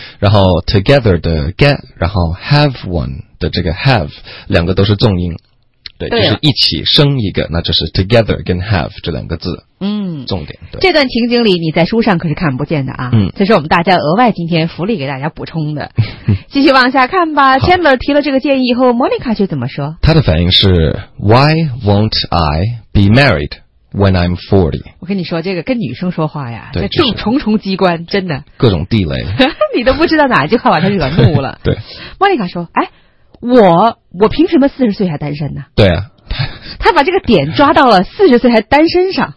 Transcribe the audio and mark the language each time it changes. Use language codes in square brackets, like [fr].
[zh] 然后 together 的 get, 然后 have one 的这个 have, 两个都是重音，对，就是一起生一个，那就是 together 跟 have 这两个字，嗯，重点。对，这段情景里你在书上可是看不见的啊，嗯，这是我们大家额外今天福利给大家补充的。继续往下看吧。Chandler 提了这个建议以后， Monica 却怎么说？他的反应是 [en] Why won't I be married when I'm 40? [zh] 我跟你说，这个跟女生说话呀，对，这种重重机关，真的各种地雷。你都不知道哪一句话把他惹怒了。对， Monica 说，哎，我凭什么40岁还单身呢？对啊，他把这个点抓到了40岁还单身上。